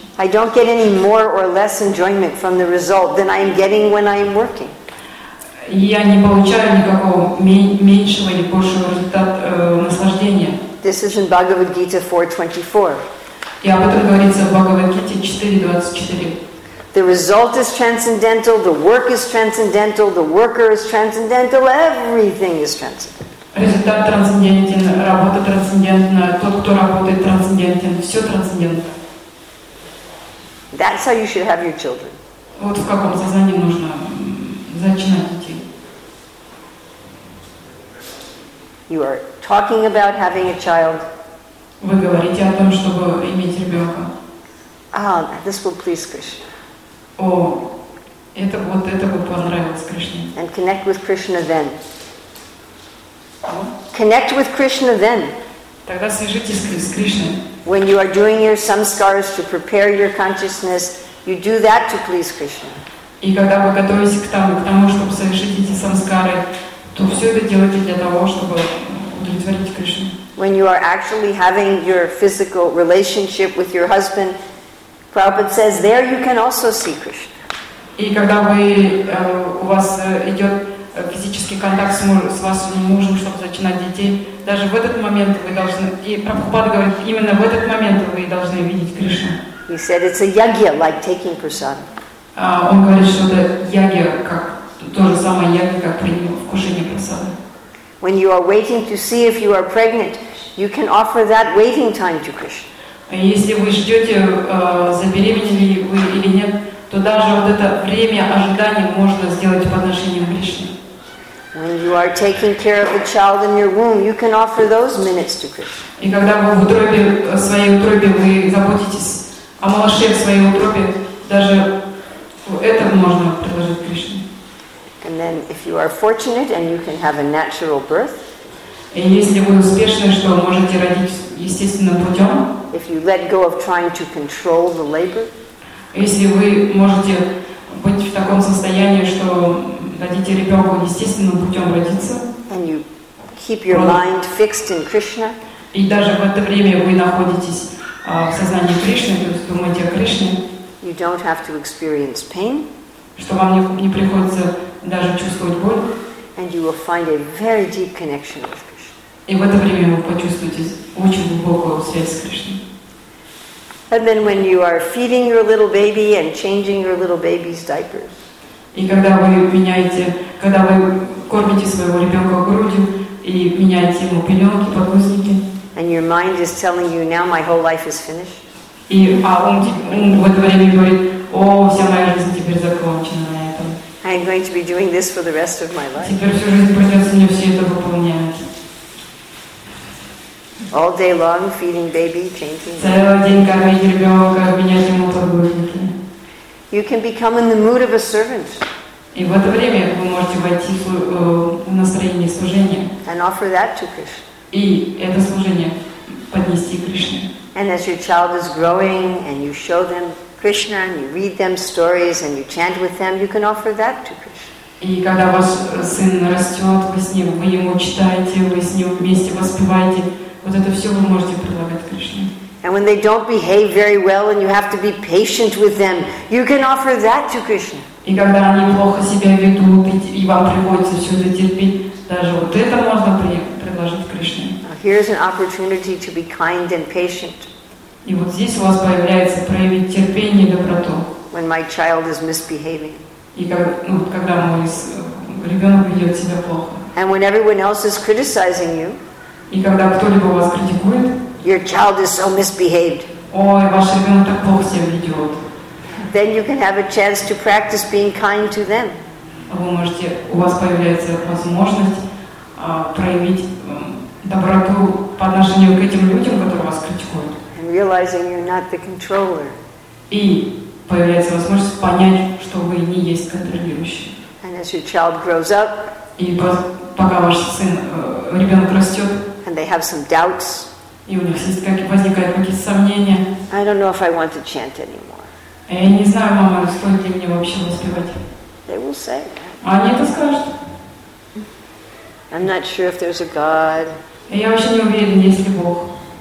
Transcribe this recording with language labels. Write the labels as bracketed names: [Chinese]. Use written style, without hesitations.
[English] I don't get any more or less enjoyment from the result than I am getting when I am working. [Russian] Я не получаю никакого меньшего или большего результата наслаждения. [English] This is in Bhagavad Gita 4:24. [Russian] И об этом говорится в Бхагавад Гите 4:24. [English] The result is transcendental, the work is transcendental, the worker is transcendental, everything is transcendental. [Russian] Результат трансцендентен, работа трансцендентна, тот, кто работает, трансцендентен, все трансцендентно. [English] That's how you should have your children. [Russian] Вот в каком сознании нужно начинать идти. [English] You are talking about having a child. [Russian] Вы говорите о том, чтобы иметь ребенка. [English] Ah, this will please Krishna. [Russian] О, это вот это бы понравилось Кришне. [English] And connect with Krishna then. Connect with Krishna then. [Russian] Тогда свяжитесь с Кришной. [English] When you are doing your samskaras to prepare your consciousness, you do that to please Krishna. [Russian] И когда вы готовитесь к тому, чтобы совершить эти самскары, то все это делаете для того, чтобы удовлетворить Кришну. [English] When you are actually having your physical relationship with your husband, Prabhupada says there you can also see Krishna. [Russian] И когда вы у вас идет физический контакт с вашим мужем, чтобы зачинать детей, даже в этот момент вы должны, и Прабхупада говорит, именно в этот момент вы должны видеть Кришну. [English] He said it's a yagya, like taking prasada. [Russian] Он говорит, что это yagya, как то же самое yagya, как вкушение прасады. [English] When you are waiting to see if you are pregnant, you can offer that waiting time to Krishna. [Russian] Если вы ждете, забеременели вы или нет, то даже вот это время ожидания можно сделать по отношению к Кришне. [English] When you are taking care of a child in your womb, you can offer those minutes to Krishna. [Russian] И когда вы в утробе, в своей утробе, вы заботитесь о малыше в своей утробе, даже это можно предложить Кришне. [English] And then, if you are fortunate and you can have a natural birth, [Russian] и если вы успешны, что можете родить естественным путем, [English] if you let go of trying to control the labor, [Russian] если вы можете быть в таком состоянии, что дадите ребенку естественным путем родиться. [English] And you keep your mind fixed in Krishna. [Russian] И даже в это время вы находитесь в сознании Кришны, то есть думаете о Кришне. [English] You don't have to experience pain. [Russian] Что вам не приходится даже чувствовать боль. [English] And you will find a very deep connection with Krishna. [Russian] И в это время вы почувствуете очень глубокую связь с Кришной. [English] And then when you are feeding your little baby and changing your little baby's diapers. [Russian] И когда вы меняете, когда вы кормите своего ребенка грудью и меняете ему пеленки, подгузники. [English] And your mind is telling you now my whole life is finished. [Russian] И ум в это время говорит, о, вся моя жизнь теперь закончена на этом. [English] I am going to be doing this for the rest of my life. [Russian] Теперь всю жизнь придется мне все это выполнять. [English] All day long feeding baby, changing. [Russian] Целый день кормить ребенка, менять ему подгузники. [English] You can become in the mood of a servant. [Russian] И в это время вы можете войти в настроение служения. [English] And offer that to Krishna. [Russian] И это служение поднести Кришне. [English] And as your child is growing and you show them Krishna and you read them stories and you chant with them, you can offer that to Krishna. [Russian] И когда ваш сын растет, вы ему читаете, вы с ним вместе воспеваете. Вот это все вы можете предлагать Кришне. [English] And when they don't behave very well and you have to be patient with them, you can offer that to Krishna. [Russian] И когда они плохо себя ведут, и вам приходится все это терпеть, даже вот это можно предложить Кришне. [English] Here's an opportunity to be kind and patient. [Russian] И вот здесь у вас появляется проявить терпение и доброту. [English] When my child is misbehaving. [Russian] И когда мой ребенок ведет себя плохо. [English] And when everyone else is criticizing you. [Russian] И когда кто-либо вас критикует. [English] Your child is so misbehaved. [Russian] Ой, ваш ребенок так плохо себя ведет. [English] Then you can have a chance to practice being kind to them. [Russian] У вас появляется возможность проявить доброту по отношению к этим людям, которые вас критикуют. [English] And realizing you're not the controller. [Russian] И появляется возможность понять, что вы не есть контролирующий. [English] And as your child grows up, [Russian] и пока ваш сын, ребенок растет, [English] and they have some doubts, [Russian] и у них есть возникают какие-то сомнения, [English] I don't know if I want to chant anymore. [Russian] Я не знаю, мама, стоит ли мне вообще воспевать. [English] They will say. [Russian] Они это скажут. [English] I'm not sure if there's a God. [Russian] Я вообще не уверен, есть ли Бог.